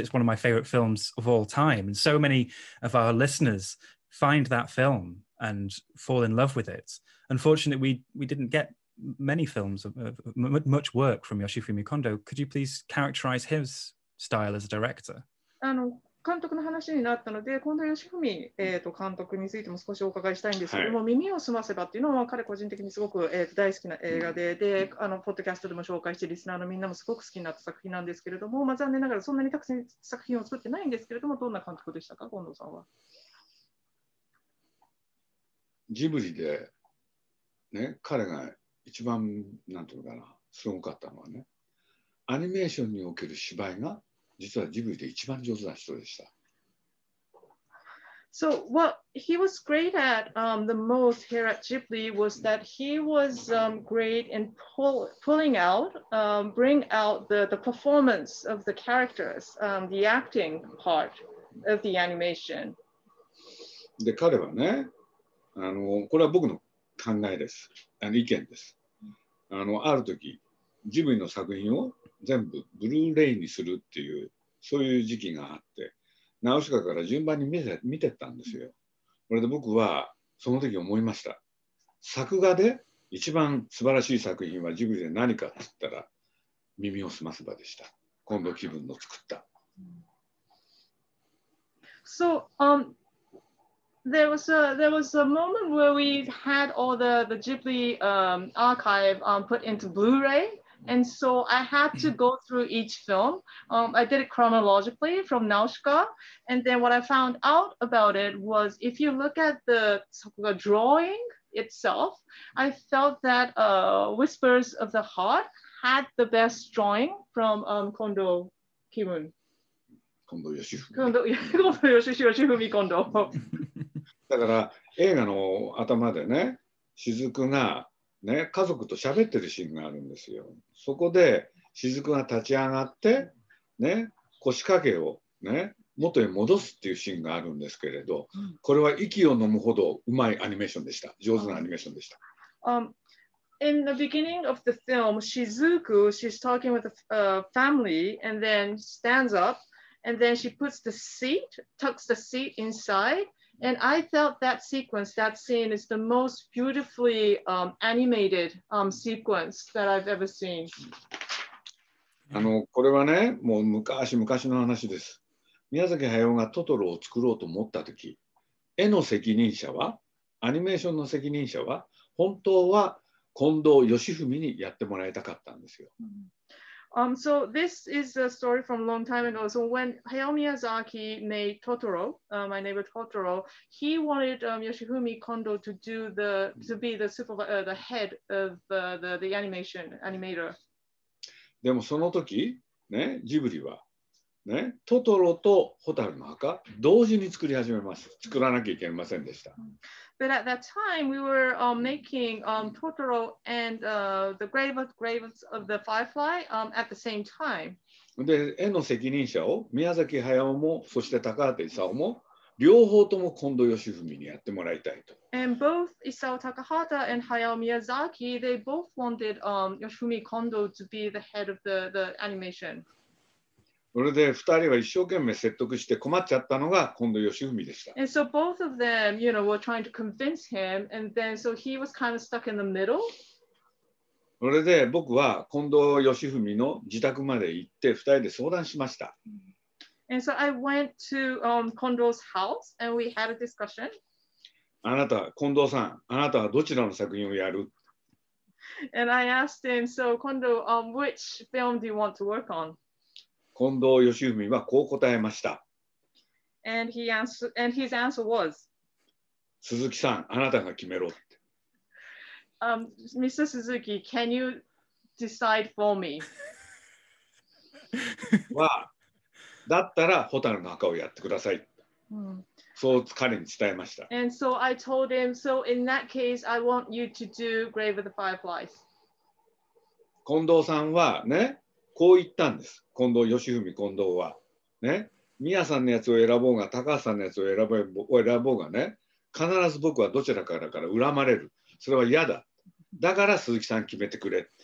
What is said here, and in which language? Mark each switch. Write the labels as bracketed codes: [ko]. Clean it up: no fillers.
[en] It's one of my favorite films of all time. And so many of our listeners find that film and fall in love with it. Unfortunately, we didn't get many films, much work from Yoshifumi Kondo. Could you please characterize his style as a director? [ja] 監督の話になったので、近藤義文、監督についても少しお伺いしたいんですけども、はい、耳を澄ませばっていうのは、彼個人的にすごく、大好きな映画で、で、ポッドキャストでも紹介して、リスナーのみんなもすごく好きになった作品なんですけれども、まあ、残念ながらそんなにたくさん作品を作ってないんですけれども、どんな監督でしたか、近藤さんは。ジブリで、ね、彼が一番なんていうのかな、すごかったのはね、アニメーションにおける芝居が実はジブリで一番上手な人でした。 [en] So what he was great at the most here at Ghibli was that he was great in pulling out bring out the performance of the characters the acting part of the animation. [ja] で彼はね、これは僕の考えです。意見です。ある時、ジブリの作品を全部ブルーレイにするっていう、そういう時期があって、ナウシカから順番に見てたんですよ。それで僕はその時思いました。作画で一番素晴らしい作品はジブリで何かって言ったら、耳を澄ませばでした。今度気分の作った。 [en] So, There was a moment where we had all the Ghibli archive put into Blu-ray, and so I had to go through each film. I did it chronologically from Nausicaa, and then what I found out about it was if you look at the drawing itself, I felt that Whispers of the Heart had the best drawing from Kondo Kimun. Kondo Yoshifumi Kondo. [ja] だから映画の頭でね、しずくがね、家族と喋ってるシーンがあるんですよ。そこでしずくが立ち上がってね、腰掛けをね、元へ戻すっていうシーンがあるんですけれど、これは息を飲むほどうまいアニメーションでした。上手なアニメーションでした。 [en] In the beginning of the film, Shizuku, she's talking with the family and then stands up and then she puts the seat, tucks the seat inside. And I felt that sequence, that scene is the most beautifully animated sequence that I've ever seen. [ja] あの、これはね、もう昔昔の話です。宮崎駿がトトロを作ろうと思った時、絵の責任者は、アニメーションの責任者は、本当は近藤義文にやってもらいたかったんですよ。 [en] So this is a story from a long time ago. So when Hayao Miyazaki made Totoro, My Neighbor Totoro, he wanted Yoshifumi Kondo to do the to be the supervisor, the head of the animation animator. [ja] でもその時ね、ジブリはね、トトロとホタルの墓同時に作り始めます。作らなきゃいけませんでした。 [en] But at that time, we were making Totoro and the Graves of the Firefly at the same time. [ja] で、絵の責任者を宮崎駿も、そして高畑勲も、両方とも近藤義文にやってもらいたいと。 [en] And both Isao Takahata and Hayao Miyazaki, they both wanted Yoshifumi Kondo to be the head of the animation. [ja] それで2人は一生懸命説得して困っちゃったのが近藤義文でした。 [en] And so both of them, you know, were trying to convince him, and then so he was kind of stuck in the middle. [ja] それで僕は近藤義文の自宅まで行って2人で相談しました。 [en] And so I went to Kondo's house and we had a discussion. [ja] あなた、近藤さん、あなたはどちらの作品をやる？ [en] And I asked him, so Kondo, which film do you want to work on? [ja] 近藤義文はこう答えました。 [en] And he answered, and his answer was, [ja] 鈴木さん、あなたが決めろって。 [en] Mr. Suzuki, can you decide for me? [ja] は、だったら蛍の墓をやってください。そう彼に伝えました。 [en] And so I told him, so in that case, I want you to do Grave of the Fireflies. [ja] 近藤さんはね、こう言ったんです。近藤義文、近藤はね、宮さんのやつを選ぼうが、高橋さんのやつを選ぼうがね、必ず僕はどちらからから恨まれる。それは嫌だ。だから鈴木さん決めてくれ。